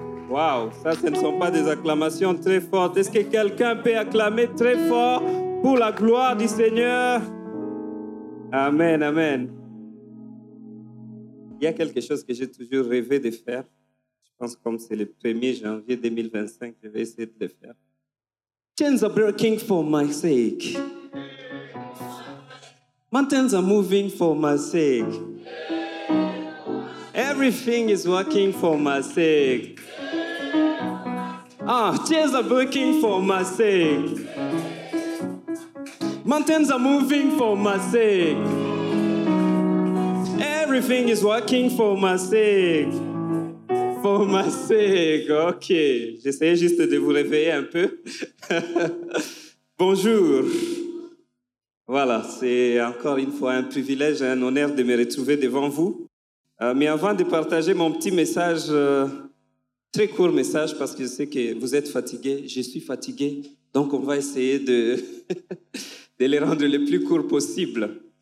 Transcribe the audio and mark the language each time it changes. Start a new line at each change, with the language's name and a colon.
French: Wow, ça, ce ne sont pas des acclamations très fortes. Est-ce que quelqu'un peut acclamer très fort pour la gloire du Seigneur? Amen, amen. Il y a quelque chose que j'ai toujours rêvé de faire. Je pense que comme c'est le 1er janvier 2025, je vais essayer de le faire.
English: Chains are breaking for my sake. Mountains are moving for my sake. Everything is working for my sake. Ah, chains are breaking for my sake. Mountains are moving for my sake. Everything is working for my sake. For my sake. Ok.
French: J'essayais juste de vous réveiller un peu. Bonjour. Voilà, c'est encore une fois un privilège et un honneur de me retrouver devant vous. Mais avant de partager mon petit message, très court message, parce que je sais que vous êtes fatigués, je suis fatigué, donc on va essayer de, de les rendre le plus court possible.